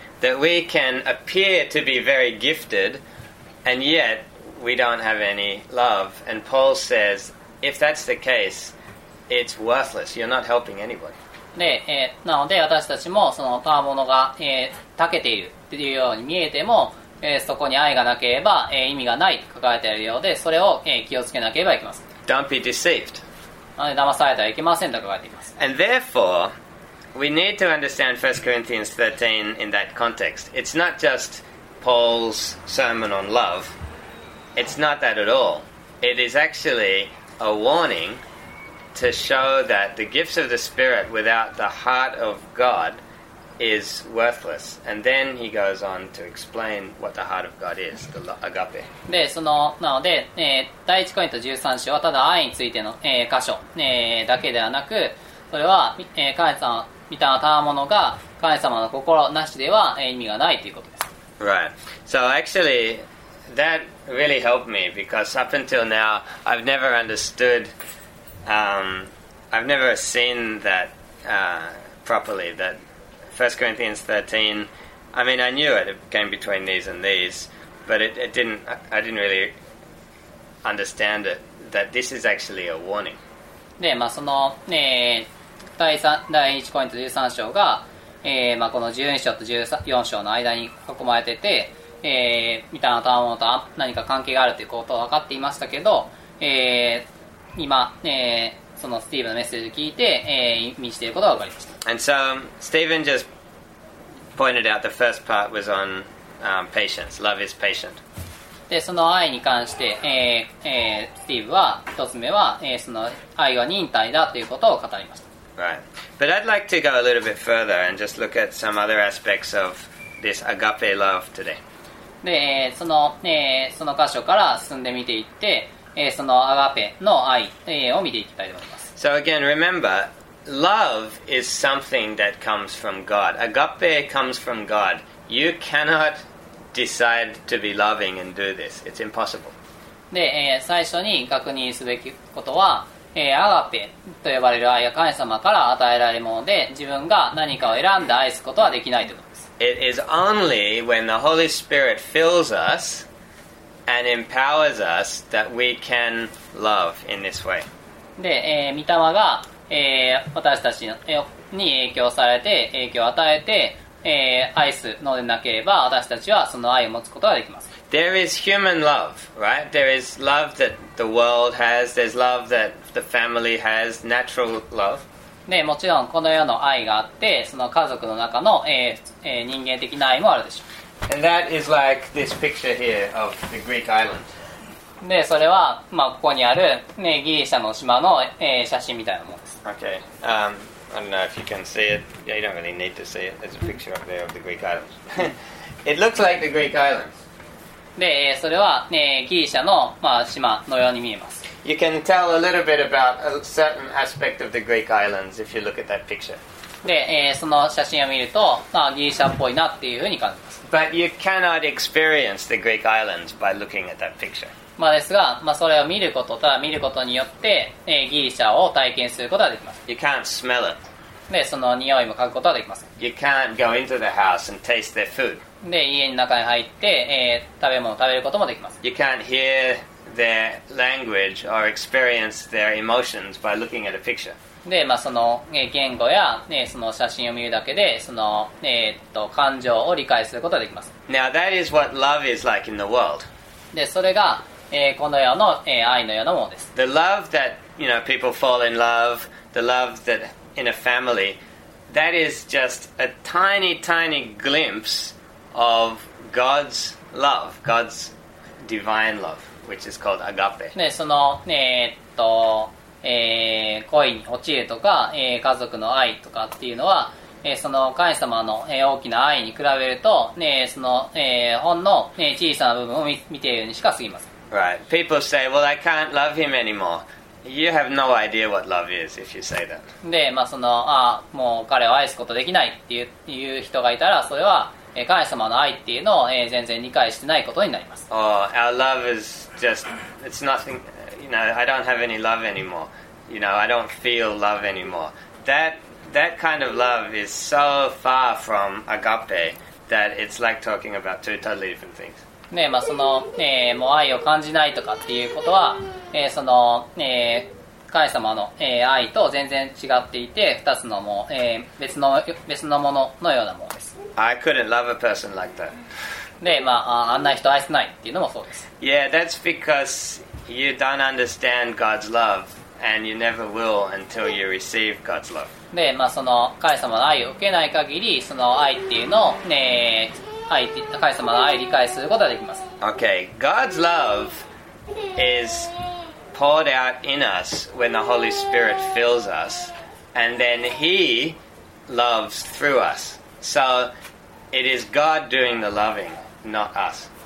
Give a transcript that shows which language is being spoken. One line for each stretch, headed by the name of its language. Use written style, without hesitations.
English: That we can appear to be very gifted, and yet we don't have any love. And Paul says, if that's the case, it's worthless. You're not helping anybody.
Japanese: で、なので私たちもその賜物が、長けているっていうように見えても、そこに愛がなければ、意味がないと書かれているようで、それを、気をつけなければいけません。
English: Don't be deceived.
Japanese: なので騙されてはいけませんと書かれています。
English: And therefore,We need to understand 1 Corinthians 13 in that context. It's not just Paul's sermon on love. It's not that at all. It is actually a warning to show that the gifts of the Spirit without the heart of God is worthless. And then he goes on to explain what the heart of God is, the agape.
Japanese: で、その、なので、第1コリント13章はただ愛についての、箇所、だけではなく、それは、カネさん見たたまものが神様の心なしでは意味がないということです。
English: Right. So actually, that really helped me because up until now, I've never understood, I've never seen that properly. That 1 Corinthians 13, I mean, I knew it came between these and these, but I didn't really understand it. That this is actually a warning.
Japanese: で、まあその、第1コイント13章が、まあ、この12章と14章の間に囲まれてて、みたいなたまものと何か関係があるということは分かっていましたけど、今、そのスティーブのメッセージを聞いて、意味していることが分かりました。
English: And so Stephen just pointed out the first part was on patience. Love is patient.
Japanese: で、その愛に関して、スティーブは一つ目は、その愛は忍耐だということを語りました。
English: Right. But I'd like to go a little bit further and just look at some other aspects of this agape love today.
Japanese: で、その箇所から進んでみていって、そのアガペの愛、を見ていきたいと思います。
English: So again, remember, love is something that comes from God. Agape comes from God. You cannot decide to be loving and do this. It's impossible.
Japanese: で、最初に確認すべきことは、アガペと呼ばれる愛が神様から与えられるもので自分が何かを選んで愛すことはできないということです。
English: It is only when the Holy Spirit fills us and empowers us that we can love in this way.
Japanese: で、御霊が、私たちに影響されて、影響を与えて、愛すのでなければ、私たちはその愛を持つことができます。
English: There is human love, right? There is love that the world has, there's love that the family has, natural love.
Japanese: でもちろんこの世の愛があってその家族の中の、人間的な愛もあるでしょう。
English: And that is like this picture here of the Greek island.
Japanese: でそれは、まあ、ここにある、ね、ギリシャの島の、写真みたいなものです。
English: Okay. I don't know if you can see it. Yeah, you don't really need to see it. There's a picture up there of the Greek island. It looks like the Greek island.
Japanese: でそれは、ね、ギリシャの、まあ、島のように見えます。
English: You can tell a little bit about a certain aspect of the Greek islands if you look at that picture.
Japanese: で、その写真を見ると、まあ、ギリシャっぽいなっていうふうに感じます。
English: But you cannot experience the Greek islands by looking at that picture.
Japanese: まあですが、まあ、それを見ること、ただ見ることによって、ギリシャを体験することができます。
English: You can't smell it.
Japanese: で、その匂いも嗅ぐことはできません。
English: You can't go into the house and taste their food.
Japanese: で、家の中に入って、食べ物を食べることもできます。
English: You can't hearTheir language or experience their emotions by looking at a picture.
Japanese: で、まあその言語や、ね、その写真を見るだけで、その、感情を理解することができます。
English: Now that is what love is like in the world.
Japanese: で、それが、この世の、愛のようなものです。
English: The love that you know people fall in love, the love that in a family, that is just a tiny, tiny glimpse of God's love, God's divine love. Which is called agape.
Japanese: でその、恋に落ちるとか、家族の愛とかっていうのは、その神様の、大きな愛に比べると、ね、その、ほんの、ね、小さな部分を 見ているにしか過ぎません。
English: Right. People say, well, I can't love him anymore. You have no idea what love is if you say that.
Japanese: で、まあ、その、あ、もう彼を愛すことできないっていう、人がいたら、それは、神様の愛っていうのを全然理解してないことになります。
English: Oh, our love is just, it's nothing, you know, I don't have any love anymore. You know, I don't feel love anymore. That kind of love is so far from agape that it's like talking about two totally different things.
Japanese: ね、まあその、もう愛を感じないとかっていうことは、その、神様の、愛と全然違っていて、二つのもう、別のもののようなものです。
English: I couldn't love a person like that.
Japanese: で、まあ、あんな人愛せないっていうのもそうです。
English: Yeah, that's because you don't understand God's love, and you never will until you receive God's love.
Japanese: で、まあ、その神様の愛を受けない限り、その愛っていうのを、ね、神様の愛を理解することができます。
English: Okay, God's love is poured out in us when the Holy Spirit fills us, and then He loves through us. So it is God doing the loving, not us.